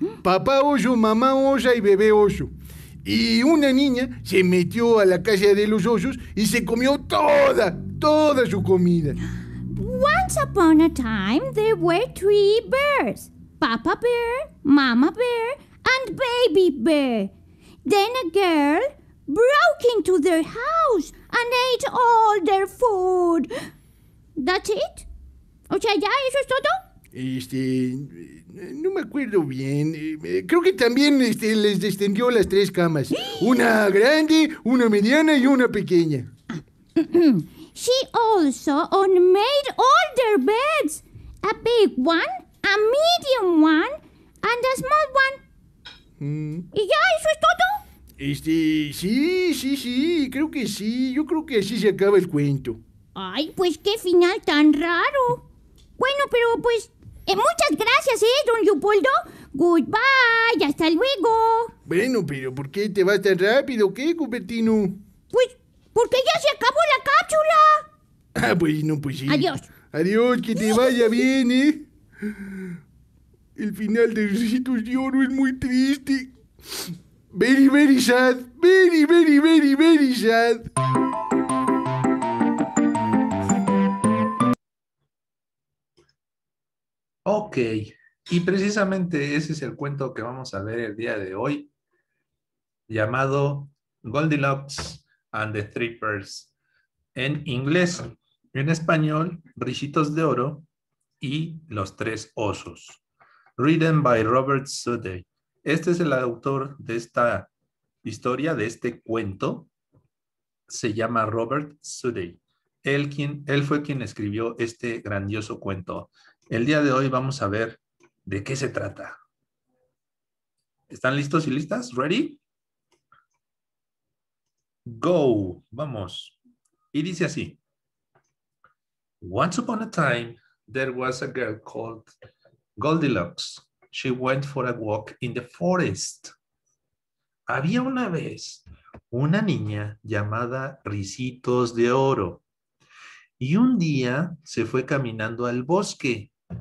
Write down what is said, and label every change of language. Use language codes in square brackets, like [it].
[es] Papá oso, mamá osa y bebé oso. Y una niña se metió a la casa de los osos y se comió toda su comida. [en] Once upon a time, there were three bears. Papa bear, mama bear, and baby bear. Then a girl broke into their house and ate all their food. That's it? [es] O sea, ¿ya eso es todo? No me acuerdo bien. Creo que también les descendió las tres camas. Una grande, una mediana y una pequeña. [en] She also unmade all their beds. A big one, a medium one, and a small one. [es] ¿Y ya eso es todo? Sí, creo que sí. Yo creo que así se acaba el cuento. Ay, pues qué final tan raro. Bueno, pero pues, muchas gracias, Don Leopoldo. [en] Goodbye, [es] hasta luego. Bueno, pero ¿por qué te vas tan rápido, qué, Cupertino? Pues, porque ya se acabó la cápsula. Ah, pues no, pues sí. Adiós. Adiós, que te vaya bien, El final de Ricitos de Oro es muy triste. [en] Very, very sad. Very, very, very, very sad. [es] Ok, y precisamente ese es el cuento que vamos a ver el día de hoy, llamado Goldilocks and the Three Bears. En inglés, en español, Ricitos de Oro y Los Tres Osos. [en] Written by Robert Sudey. [es] Este es el autor de esta historia, de este cuento. Se llama Robert Sudey. Él fue quien escribió este grandioso cuento. El día de hoy vamos a ver de qué se trata. ¿Están listos y listas? [en] ¿Ready? ¡Go! [es] Vamos. Y dice así. [en] Once upon a time, there was a girl called Goldilocks. She went for a walk in the forest. [es] Había una vez una niña llamada Ricitos de Oro. Y un día se fue caminando al bosque.